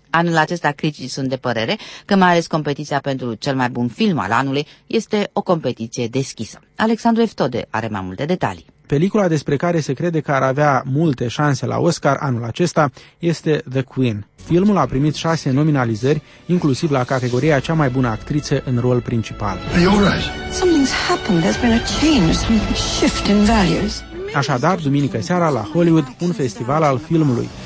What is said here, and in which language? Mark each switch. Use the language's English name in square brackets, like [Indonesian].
[Romanian] Anul acesta, criticii sunt de părere că mai ales competiția pentru cel mai bun film al anului este o competiție deschisă. Alexandru Eftode are mai multe detalii. Pelicula despre care se crede că ar avea multe șanse la Oscar anul acesta este The Queen. Filmul a primit 6 nominalizări, inclusiv la categoria cea mai bună actriță în rol principal. [English] Are you all right? Something's happened. There's been a change, something shift in values. [Romanian] Așadar, duminică seara la Hollywood, un festival al filmului.